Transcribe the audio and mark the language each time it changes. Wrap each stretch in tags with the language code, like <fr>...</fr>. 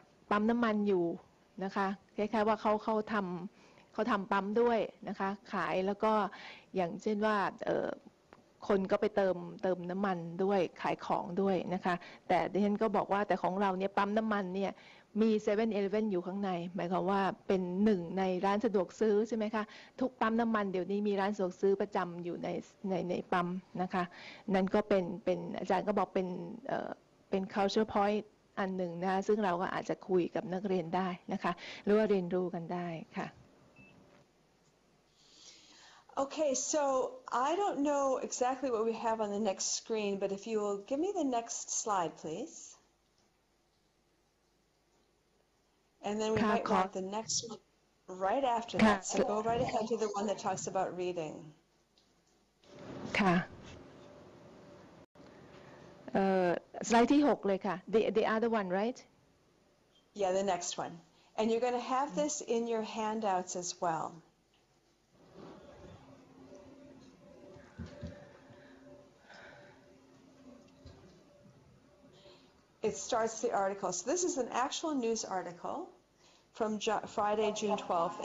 <th>ปั๊มน้ำมันอยู่นะคะคล้ายๆว่าเขาทำปั๊มด้วยนะคะขายแล้วก็อย่างเช่นว่าคนก็ไปเติมน้ำมันด้วยขายของด้วยนะคะแต่ดิฉันก็บอกว่าแต่ของเราเนี่ยปั๊มน้ำมันเนี่ยมี 7-Eleven อยู่ข้างในหมายความว่าเป็นหนึ่งในร้านสะดวกซื้อใช่ไหมคะทุกปั๊มน้ำมันเดี๋ยวนี้มีร้านสะดวกซื้อประจำอยู่ ในปั๊มนะคะนั่นก็เป็นอาจารย์ก็บอกเป็น culture point อันหนึ่งนะคะซึ่งเราก็อาจจะคุยกับนักเรียนได้นะคะหรือว่าเรียนรู้กันได้ค่ะ</th> <en>Okay, so I don't know exactly what we have on the next screen, but if you will give me the next slide, please. And then we might want the next one right after that. So go right ahead to the one that talks about reading.</en> <th>ค่ะ สไลด์ที่6เลยค่ะ</th> <en>the other one, right? Yeah, the next one. And you're going to have this in your handouts as well. It starts the article. So this is an actual news article from Friday, June 12th.</en>